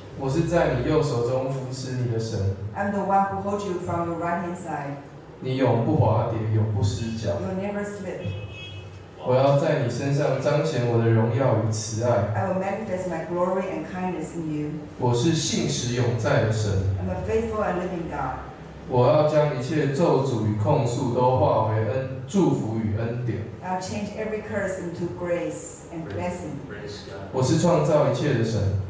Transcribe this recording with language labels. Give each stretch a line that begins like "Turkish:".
Chinese: 我是在你右手中扶持你的神,
English: I'm the one who holds you from your right hand side.
Chinese: 你永不滑跌, 永不失脚,
English: you'll never slip.
Chinese: 我要在你身上彰显我的荣耀与慈爱,
English: I will manifest my glory and kindness in you.
Chinese: 我是信实永在的神,
English: I'm a faithful and living God.
Chinese: 我要将一切咒诅与控诉都化为恩, 祝福与恩典,
English: I'll change every curse into grace and blessing.
Chinese: 我是创造一切的神,